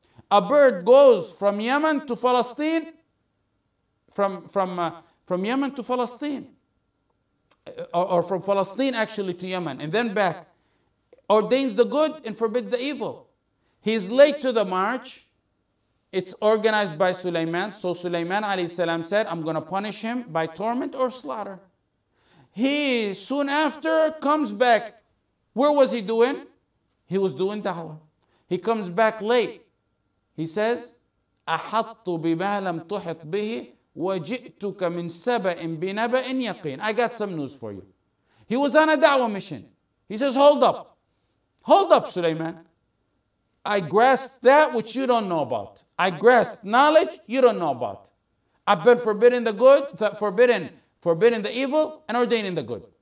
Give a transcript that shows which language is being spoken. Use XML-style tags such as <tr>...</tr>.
<en>A bird goes from Yemen to Palestine, from Yemen to Palestine, or from Palestine actually to Yemen, and then back, ordains the good and forbid the evil. He's late to the march. It's organized by Sulaiman. So Sulaiman alayhi salam said, I'm going to punish him by torment or slaughter. He soon after comes back. Where was he doing? He was doing da'wah. He comes back late. He says,</en> <ar>أَحَطُّ بِمَا لَمْ تُحِطْ بِهِ وَجِئْتُكَ مِنْ سَبَئٍ بِنَبَئٍ يَقِينٍ.</ar> <en>I got some news for you. He was on a da'wah mission. He says, hold up. Hold up, Sulaiman. I grasped that which you don't know about. I grasped knowledge you don't know about. I've been forbidden the good, forbidden the evil, and ordaining the good.</en>